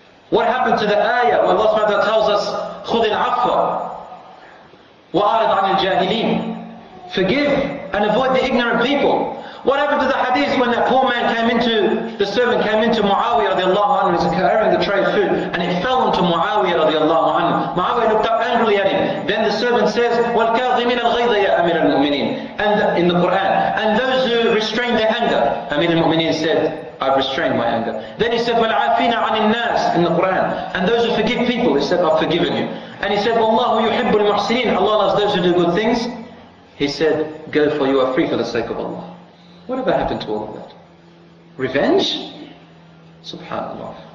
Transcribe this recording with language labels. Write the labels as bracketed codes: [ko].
[en] What happened to the ayah where Allah SWT tells us, [ar] خُذ الْعَفْوَ وَأَعْرِضْ عَنِ الْجَاهِلِينَ. [en] Forgive and avoid the ignorant people. What happened to the hadith when that poor man came into, the servant came into Muawiyah radiallahu anhu, he was carrying the tray of food, and it fell onto Muawiyah radiallahu anhu. Muawiyah looked up angrily at him. Then the servant says, [ar] وَالْكَاظِمِنَ الْغَيْضَ يَا أَمِرَ الْمُؤْمِنِينَ. [en] And in the Quran, and those who restrain their anger, Amir al-Mu'mineen said, I've restrained my anger. Then he said, [ar] وَالْعَافِينَ عَنِ النَّاسِ [en] in the Quran. And those who forgive people, he said, I've forgiven you. And he said, [ar] وَاللَّهُ يُحِبُّ الْمُحْسِنِينَ. [en] Allah loves those who do good things. He said, go for you are free for the sake of Allah. Whatever happened to all of that? Revenge? SubhanAllah.